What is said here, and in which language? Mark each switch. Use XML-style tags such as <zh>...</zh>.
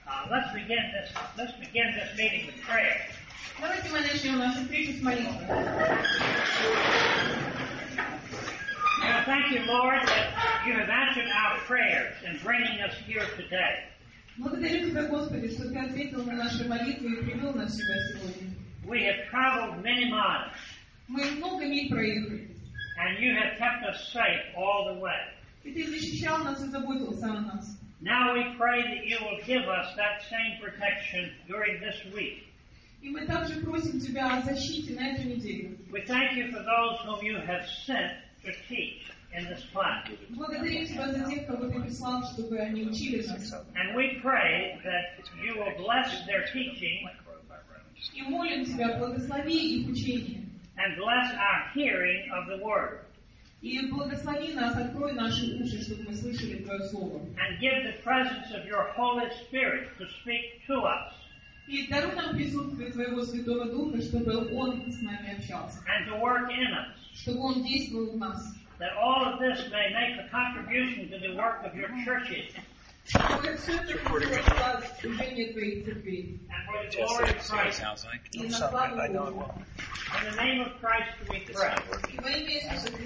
<en>Let's begin this meeting with prayer.</en> <ru>Давайте мы начнем нашу встречу с молитвой.</ru> <en>Now thank you, Lord, that you have answered our prayers in bringing us here today.</en> <ru>Благодарю тебя, Господи, что ты ответил на наши молитвы и привел нас сюда сегодня.</ru> <en>We have traveled many miles.</en> <ru>Мы много миль проехали.</ru> <en>And you have kept us safe all the way.</en> <ru>И ты защищал нас и заботился о нас.</ru> <en>Now we pray that you will give us that same protection during this week.</en> <ru>И мы также просим тебя о защите на эту неделю.</ru> <en>We thank you for those whom you have sent to teach in this class.</en> <ru>Благодарим тебя за тех, кого ты прислал, чтобы они учились.</ru> <en>And we pray that you will bless their teaching.</en> <ru>И молим тебя, благослови их учение.</ru> <en>And bless our hearing of the word.</en> <ru>И благослови нас, открой наши уши, чтобы мы слышали твое слово.</ru> <en>And give the presence of your Holy Spirit to speak to us.</en> <ru>И даруй нам присутствие твоего Святого Духа, чтобы он с нами общался.</ru> <en>And to work in us.</en> <ru>Чтобы он действовал в нас.</ru> <en>That all of this may make a contribution to the work of your churches. In the name of Christ we pray.</en>